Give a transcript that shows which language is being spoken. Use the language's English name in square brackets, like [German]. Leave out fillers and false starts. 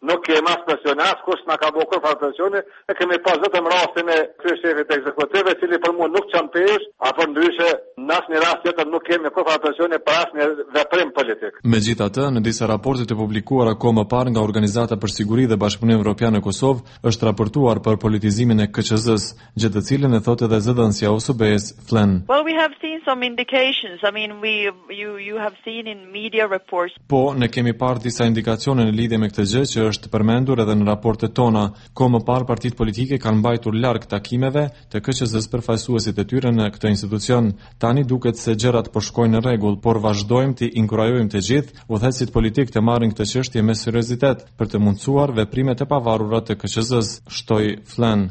[Albanian] Nuk kemi as presion, as kush na ka bërë kurfar presioni, e kemi pas vetëm rastin e kryeshefit të ekzekutive, i cili për mua nuk çan pesh, apo ndryshe në asnjë rast jetë nuk kemi kurfar presioni për asnjë veprim politik. Megjithatë, në disa raporte të publikuara akoma më parë nga Organizata për Siguri dhe Bashkëpunim Evropian në Kosovë është raportuar për politizimin e KQZ-s, gjë të cilën e thotë edhe zëdhënësja OSBE-s Flen. [English] Well, we have seen some indications. I mean, you have seen in media reports. [Albanian] Po, ne kemi parë disa indikacione në lidhje me këtë gjë që është përmendur edhe në raportet tona. Kohë më parë partitë politike kanë mbajtur larg takimeve të KQZ-s përfaqësuesit e tyre në këtë institucion. Tani duket se gjërat po shkojnë në rregull, por vazhdojmë të inkurajojmë të gjithë udhëhecit politik të marrin këtë çështje me seriozitet për të mundësuar veprime të pavarura të KQZ-s, shtoi Flen.